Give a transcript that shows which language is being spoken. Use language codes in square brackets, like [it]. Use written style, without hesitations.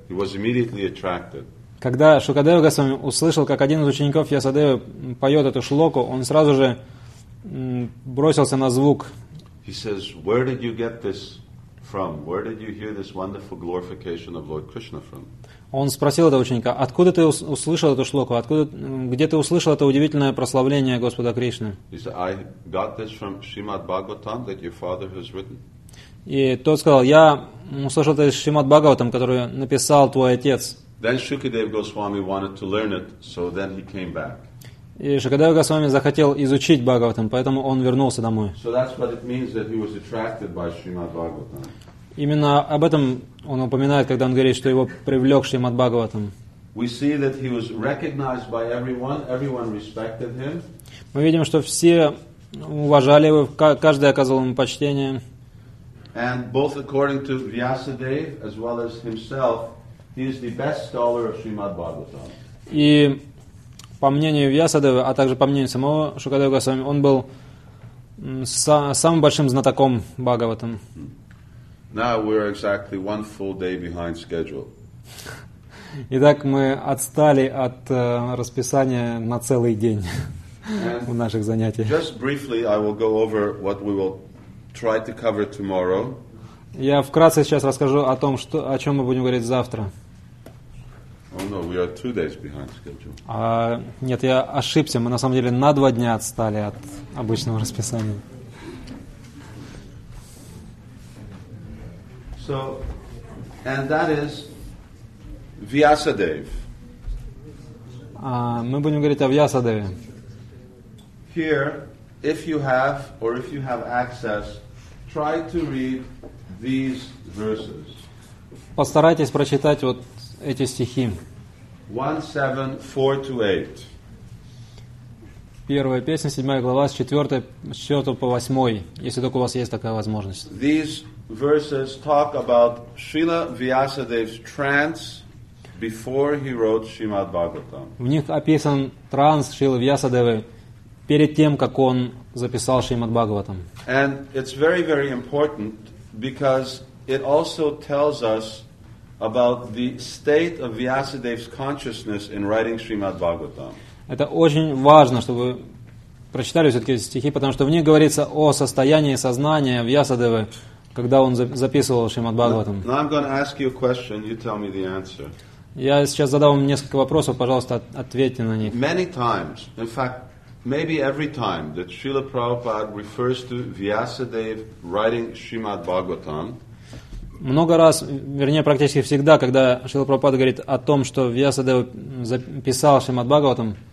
[en] He was immediately attracted. [ru] Когда Шукадева Госвами услышал, как один из учеников Ясадевы поет эту шлоку, он сразу же бросился на звук. [en] He says, where did you get this from? Where did you hear this wonderful glorification of Lord Krishna from? [ru] Он спросил этого ученика, откуда ты услышал эту шлоку? Откуда, где ты услышал это удивительное прославление Господа Кришны? [en] He said, I got this from Srimad Bhagavatam that your father has written. [ru] И тот сказал, я услышал это из Шримад Бхагаватам, который написал твой отец. [en] Then Shukadev Goswami wanted to learn it, so then he came back. [ru] И Шукадев Госвами захотел изучить Бхагаватам, поэтому он вернулся домой. [en] So that's what it means that he was attracted by Srimad Bhagavatam. [ru] Именно об этом он упоминает, когда он говорит, что его привлек Шримад Бхагаватам. [en] We see that he was recognized by everyone. Everyone respected him. [ru] Мы видим, что все уважали его, каждый оказывал ему почтение. [en] And both according to Vyasadeva as well as himself, he is the best scholar of Srimad Bhagavatam. [ru] И по мнению Вьясадевы, а также по мнению самого Шукадева Госвами, он был самым большим знатоком Бхагаватам. [en] Now we're exactly one full day behind schedule. [ru] Итак, мы отстали от расписания на целый день у наших занятий. [en] Just briefly, I will go over what we will try to cover tomorrow. [ru] Я вкратце сейчас расскажу о том, что, о чем мы будем говорить завтра. [en] Oh no, we are 2 days behind schedule. [ru] Нет, я ошибся. Мы на самом деле на 2 дня отстали от обычного расписания. [en] So, and that is Vyasadev. [ru] Мы будем говорить о Вьясадеве. [en] Here, if you have or if you have access, try to read these verses. [ru] Постарайтесь прочитать вот эти стихи. [en] 1:7-8. [ru] Первая песня, 7 глава, с 4 по 8, если только у вас есть такая возможность. [en] These verses talk about Srila Vyasadeva's trance before he wrote Srimad Bhagavatam. [ru] В них описан транс Шрилы Вьясадевы перед тем, как он записал Шримад Бхагаватам. [en] And it's very, very important because it also tells us about the state of Vyasadeva's consciousness in writing Srimad Bhagavatam. [ru] Это очень важно, чтобы прочитали все-таки стихи, потому что в них говорится о состоянии сознания Вьясадевы, когда он записывал Шримад Бхагаватам. [en] Now I'm going to ask you a question, you tell me the answer. [ru] Я сейчас задам вам несколько вопросов, пожалуйста, ответьте на них. [en] Many times, in fact, maybe every time that Srila Prabhupada refers to Vyasadeva writing Srimad Bhagavatam, [ru] много раз, вернее, практически всегда, когда Шрила Прабхупада говорит о том, что Вьясадева записал Шримад Бхагаватам,